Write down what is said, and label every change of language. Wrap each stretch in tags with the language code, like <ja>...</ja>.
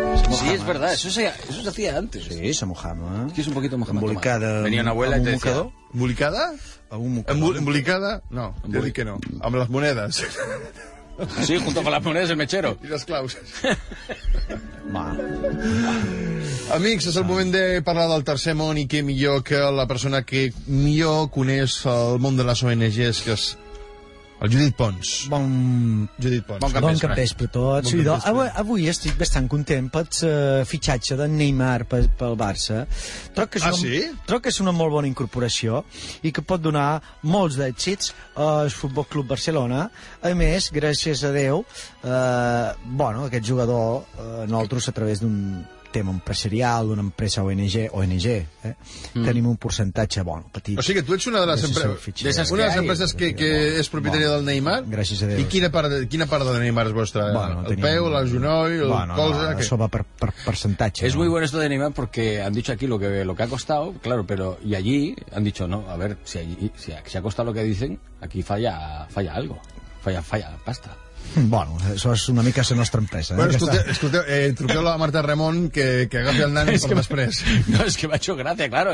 <es>Sí, es verdad, eso se hacía antes. Sí, se mojama. Es que es un poquito mojama. Embolicada. Venía una abuela y te decía... ¿Embolicada? ¿Embolicada? No, yo dije que no. A las monedas. Sí, junto con las monedas el mechero. Y las clauses.</es> <ca>Amics, és el moment de parlar del tercer món i què millor que la persona que millor coneix el món de les ONGs, que és el Judit Pons. Bon capvespre a tots. Avui estic bastant content pel fitxatge de Neymar pel Barça. Troc que és una molt bona incorporació i que pot donar molts d'èxits al Futbol Club Barcelona. A més, gràcies a Déu, aquest jugador, nosaltres a través d'un tema empresarial, d'una empresa ONG, tenim un percentatge bon, petit. O sigui que tu ets una de les empreses que és propietària del Neymar. Gràcies a Déu. I quina part de Neymar és vostra? El peu, el genoll, el colze? Això va per percentatge.</ca> <es>És muy bueno esto de Neymar porque han dicho aquí lo que ha costado, claro, pero y allí han dicho, no, a ver, si ha costado lo que dicen, aquí falla algo, falla pasta.</es> <ca>Bueno, això és una mica la nostra empresa. Truqueu a Marta Ramon que agafi el nano per després. No, és que m'ha</ca> <es>hecho gracia, claro.</es>